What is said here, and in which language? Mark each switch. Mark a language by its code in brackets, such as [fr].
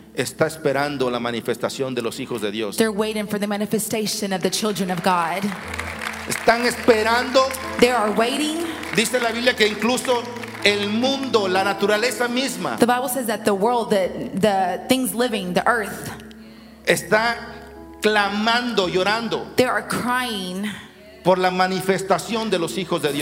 [es] Está esperando la manifestación de los hijos de Dios. [en] They're waiting for the manifestation of the children of God. [es] Están esperando. [en] They are waiting. [es] Dice la Biblia que incluso el mundo, la naturaleza misma. [en] The Bible says that the world, the things living, the earth. [es] Está clamando, llorando. [en] They are crying [es] por la manifestación de los hijos de Dios.